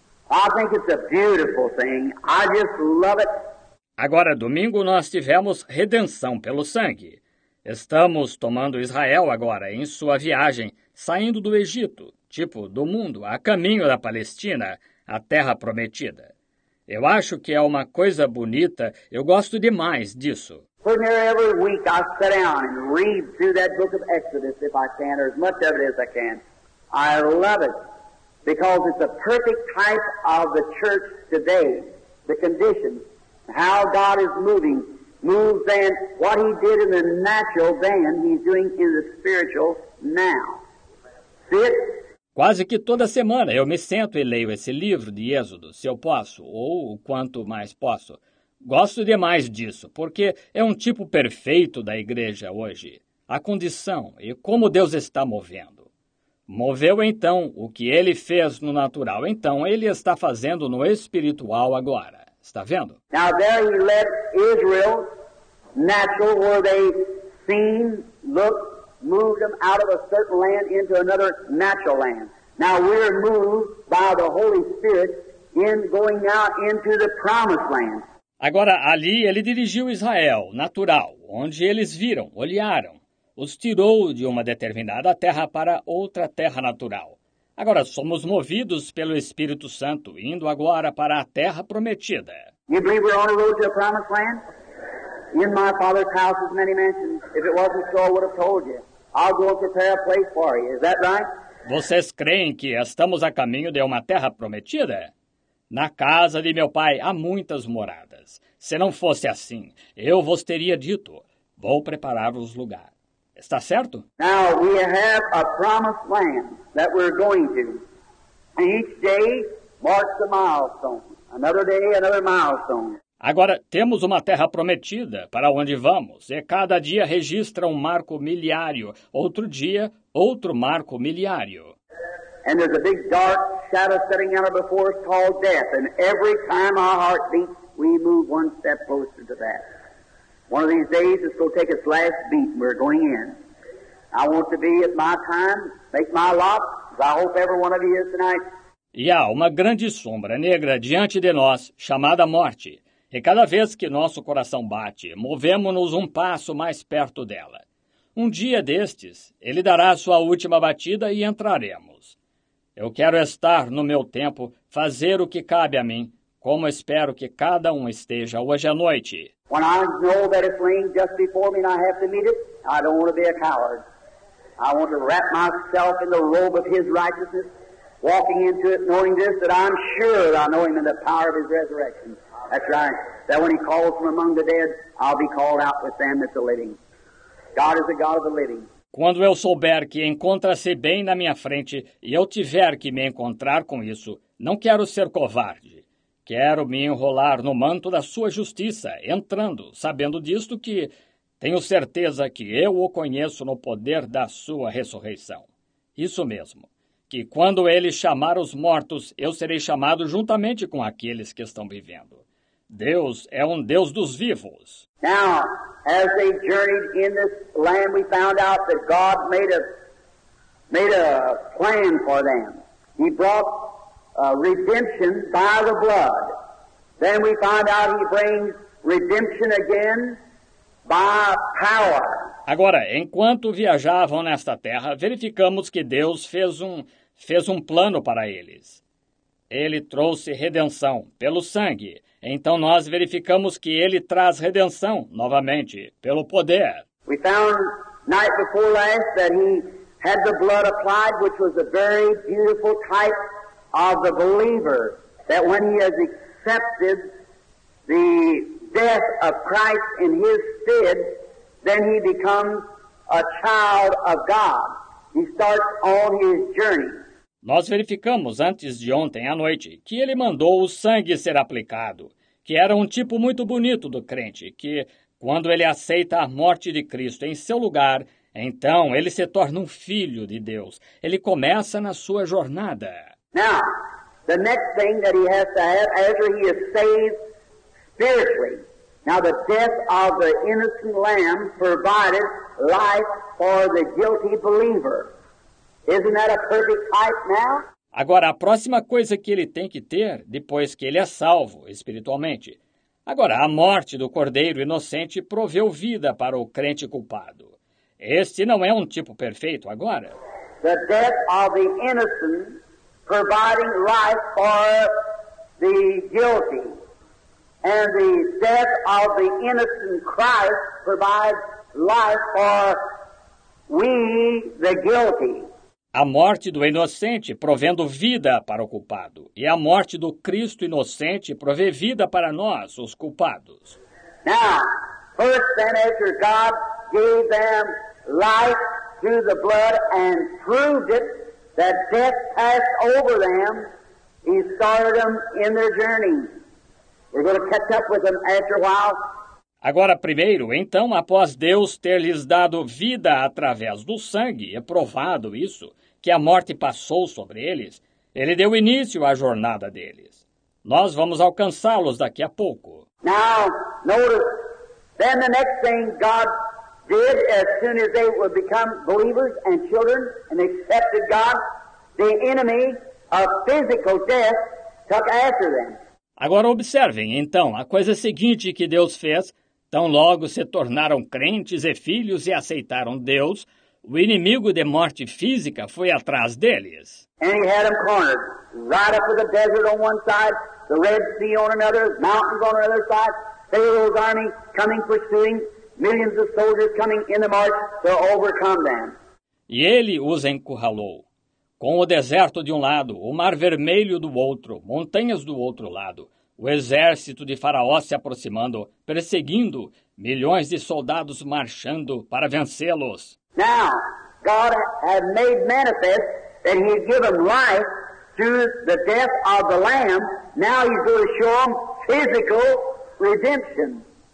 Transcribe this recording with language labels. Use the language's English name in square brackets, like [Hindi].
[English] I think it's a beautiful thing. I just love it. [Portuguese] Agora, domingo, nós tivemos redenção pelo sangue. Estamos tomando Israel agora em sua viagem, saindo do Egito, tipo do mundo, a caminho da Palestina, a terra prometida. Eu acho que é uma coisa bonita. Eu gosto demais disso. [English] Every week I sit down and read through that book of Exodus if I can, or as much of it as I can. I love it. Because it's a perfect type of the church today, the conditions, how God is moving, moves then, what he did in the natural then, he's doing in the spiritual now. See it? [Portuguese] Quase que toda semana eu me sento e leio esse livro de Êxodo, se eu posso, ou o quanto mais posso. Gosto demais disso, porque é um tipo perfeito da igreja hoje. A condição e como Deus está movendo. Moveu, então, o que ele fez no natural. Então, ele está fazendo no espiritual agora. Está vendo? [English] Now, there he led Israel, natural, where they seen, looked, moved them out of a certain land into another natural land. Now, we're moved by the Holy Spirit in going out into the promised land. [Portuguese] Agora, ali, ele dirigiu Israel, natural, onde eles viram, olharam. Os tirou de uma determinada terra para outra terra natural. Agora somos movidos pelo Espírito Santo, indo agora para a terra prometida. [English] You believe we're on the road to a promised land? In my Father's house is many mansions. If it wasn't so, I would have told you. I'll go prepare a place for you. Is that right? [Portuguese] Vocês creem que estamos a caminho de uma terra prometida? Na casa de meu pai há muitas moradas. Se não fosse assim, eu vos teria dito, vou preparar os lugares. Está certo? [English] Now we have a promised land that we're going to. Each day marks a milestone. Another day, another milestone. [Portuguese] Agora temos uma terra prometida para onde vamos. E cada dia registra um marco miliário. Outro dia, outro marco miliário. [English] And there's a big dark shadow sitting out before us called death. And every time our heart beats, we move one step closer to that. One of these days, it's going to take its last beat, and we're going in. I want to be at my time, make my lot, as I hope every one of you is tonight. [Portuguese] E há uma grande sombra negra diante de nós, chamada morte. E cada vez que nosso coração bate, movemos-nos um passo mais perto dela. Um dia destes, ele dará sua última batida e entraremos. Eu quero estar no meu tempo, fazer o que cabe a mim, como espero que cada esteja hoje à noite. [English] When I know that it's laying just before me and I have to meet it, I don't want to be a coward. I want to wrap myself in the robe of his righteousness, walking into it knowing this, that I'm sure that I know him in the power of his resurrection. That's right. That when he calls from among the dead, I'll be called out with them that's the living. God is the God of the living. [Portuguese] Quando eu souber que encontra-se bem na minha frente e eu tiver que me encontrar com isso, não quero ser covarde. Quero me enrolar no manto da sua justiça, entrando, sabendo disto que tenho certeza que eu o conheço no poder da sua ressurreição. Isso mesmo, que quando ele chamar os mortos, eu serei chamado juntamente com aqueles que estão vivendo. Deus é Deus dos vivos. [English] Now, as they journeyed in this land, we found out that God made a plan for them. He brought redemption by the blood. Then we find out he brings redemption again by power. [Portuguese] Agora, enquanto viajavam nesta terra, verificamos que Deus fez um plano para eles. Ele trouxe redenção pelo sangue. Então nós verificamos que ele traz redenção novamente pelo poder. [English] We found night before last that he had the blood applied, which was a very beautiful type of the believer, that when he has accepted the death of Christ in his stead, then he becomes a child of God. He starts on his journey. [Portuguese] Nós verificamos antes de ontem à noite que ele mandou o sangue ser aplicado, que era um tipo muito bonito do crente, que quando ele aceita a morte de Cristo em seu lugar, então ele se torna um filho de Deus. Ele começa na sua jornada. [English] Now, the next thing that he has to have after he is saved spiritually. Now, the death of the innocent lamb provided life for the guilty believer. Isn't that a perfect type now? [Portuguese] Agora, a próxima coisa que ele tem que ter, depois que ele é salvo espiritualmente. Agora, a morte do cordeiro inocente proveu vida para o crente culpado. Este não é um tipo perfeito agora. [English] The death of the innocent providing life for the guilty. And the death of the innocent Christ provides life for we, the guilty. [Portuguese] A morte do inocente provendo vida para o culpado. E a morte do Cristo inocente provê vida para nós, os culpados. [English] Now, first then after God gave them life through the blood and proved it, that death passed over them, he started them in their journey. We're going to catch up with them after a while. [Portuguese] Agora, primeiro, então, após Deus ter-lhes dado vida através do sangue, e provado isso, que a morte passou sobre eles, ele deu início à jornada deles. Nós vamos alcançá-los daqui a pouco. [English] Now, notice, then the next thing God did, as soon as they would become believers and children and accepted God, the enemy of physical death took after them. [Portuguese] Agora, observem, então, a coisa seguinte que Deus fez. Tão logo se tornaram crentes e filhos e aceitaram Deus, o inimigo de morte física foi atrás deles. [English] And he had them cornered, right up to the desert on one side, the Red Sea on another, mountains on the other side, Pharaoh's army coming pursuing, millions of soldiers coming in the march to overcome them. [Portuguese] E ele os encurralou. Com o deserto de um lado, o mar vermelho do outro, montanhas do outro lado, o exército de Faraó se aproximando, perseguindo, milhões de soldados marchando para vencê-los. [English] Now, God had made manifest that he had given life through the death of the Lamb. Now he's going to show them physical redemption.